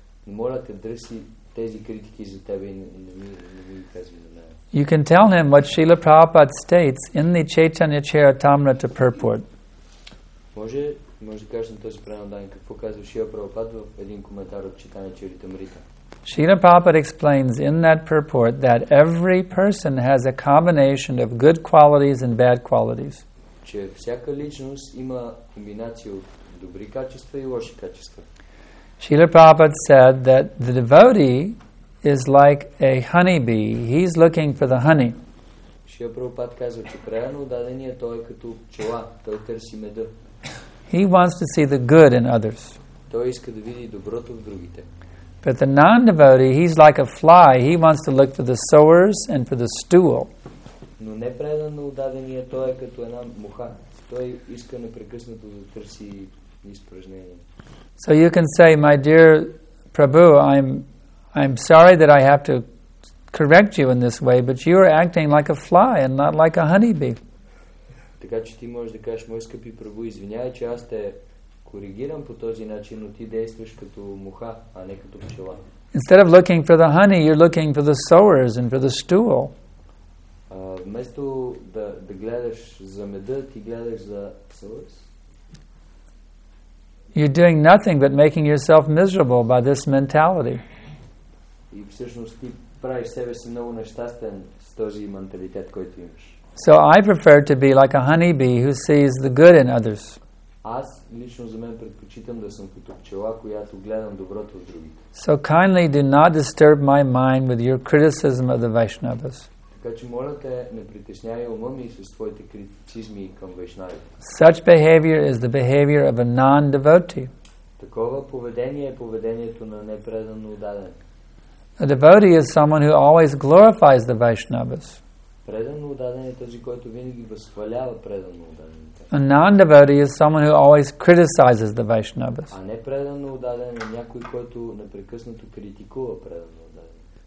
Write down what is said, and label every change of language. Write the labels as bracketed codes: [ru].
[bg] Не моля те, дръси тези критики за тебе и не ми ги казвай на мен. [en] You can tell him what Srila Prabhupada states in the Chaitanya Charitamrita purport. [bg] Може да кажеш на този правилно отдаден какво казва Шрила Прабхупад в един коментар от Чайтанья Чаритамрита. [en] Srila Prabhupada explains in that purport that every person has a combination of good qualities and bad qualities. [bg] Че всяка личност има комбинация от добри качества и лоши качества. [en] Srila Prabhupada said that the devotee is like a honeybee. He's looking for the honey. [bg] Шия Прабхупад казва, че правилно дадения той е като пчела, той търси меда. [en] He wants to see the good in others. [bg] Той иска да види доброто в другите. [en] But the non-devotee, he's like a fly. He wants to look for the sowers and for the stool. [bg] Но неправилно дадения той е като една муха. Той иска непрекъснато да търси изпражнение. [en] So you can say, my dear Prabhu, I'm sorry that I have to correct you in this way, but you are acting like a fly and not like a honeybee. [bg] Така че ти можеш да кажеш, мой скъпи Прабу, извинявай, че аз те коригирам по този начин, но ти действаш като муха, а не като пчела. [en] Instead of looking for the honey, you're looking for the sowers and for the stool. [bg] Вместо да гледаш за меда, ти гледаш за sowers. [en] You're doing nothing but making yourself miserable by this mentality. [bg] И всъщност ти правиш себе си много нещастен с този менталитет, който имаш. [en] So I prefer to be like a honeybee who sees the good in others. [bg] Аз лично за мен предпочитам да съм като пчела, която гледам доброто в другите. [en] So kindly do not disturb my mind with your criticism of the Vaishnavas. [bg] Така че моля те, не притеснявай ума ми с твоите критицизми към вайшнавите. [en] Such behavior is the behavior of a non-devotee. [bg] Такова поведение е поведението на непредано отдаден. [en] A devotee is someone who always glorifies the Vaishnavas. [bg] Предано отдаден е този, който винаги възхвалява предано отдаден. [en] A non-devotee is someone who always criticizes the Vaishnavas. [bg] А непредано отдаден е някой, който непрекъснато критикува предано отдаден.